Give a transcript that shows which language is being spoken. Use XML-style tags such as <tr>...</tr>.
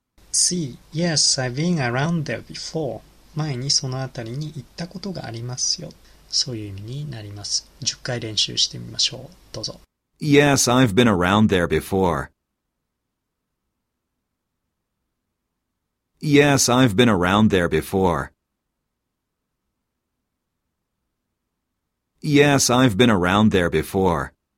<en>See, yes, I've been around there before.</en> <ja>前にそのあたりに行ったことがありますよ。そういう意味になります。 10回練習してみましょう。どうぞ。</ja> <en>Yes, I've been around there before. Yes, I've been around there before. Yes, I've been around there before.</en>